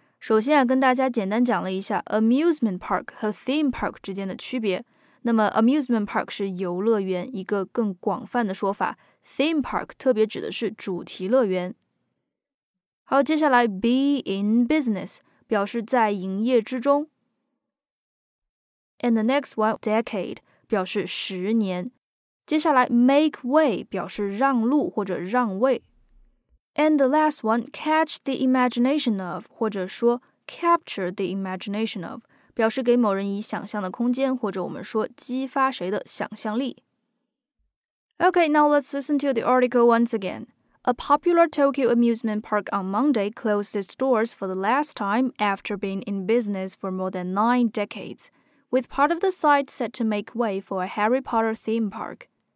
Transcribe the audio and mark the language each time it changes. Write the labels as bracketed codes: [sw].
[zh] 首先啊，跟大家简单讲了一下 amusement park 和 theme park 之间的区别。那么 amusement park 是游乐园一个更广泛的说法， theme park 特别指的是主题乐园。好，接下来 be in business 表示在营业之中。 [en] And the next one decade [zh] 表示十年。接下来 make way 表示让路或者让位。 [en] And the last one [zh] catch the imagination of 或者说 capture the imagination of 表示给某人以想象的空间，或者我们说激发谁的想象力。 [en] Okay, now let's listen to the article once again. A popular Tokyo amusement park on Monday closed its doors for the last time after being in business for more than 9 decades, with part of the site set to make way for a Harry Potter theme park.